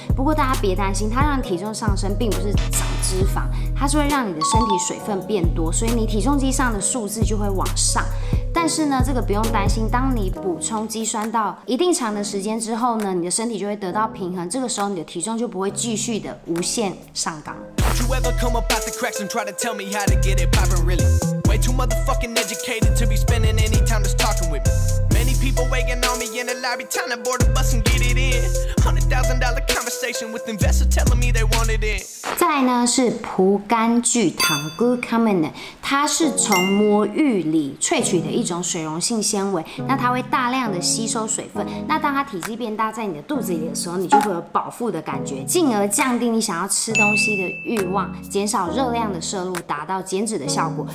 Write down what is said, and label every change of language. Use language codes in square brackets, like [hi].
[zh] 不过大家别担心，它让体重上升并不是长脂肪，它是会让你的身体水分变多，所以你体重机上的数字就会往上。但是呢，这个不用担心，当你补充肌酸到一定长的时间之后呢，你的身体就会得到平衡，这个时候你的体重就不会继续的无限上纲。 [en] You ever come up out the cracks and try to tell me how to get it poppin' really? Way too motherfucking educated to be spending any time just talking with me. Many people waiting on me in the lobby, time to board a bus and get it in. $100,000 conversation with investors telling me they want it in. [zh] 再来呢是葡甘聚糖 glucomannan， 它是从魔芋里萃取的一种水溶性纤维，那它会大量的吸收水分，那当它体积变大在你的肚子里的时候，你就会有饱腹的感觉，进而降低你想要吃东西的欲望，减少热量的摄入，达到减脂的效果。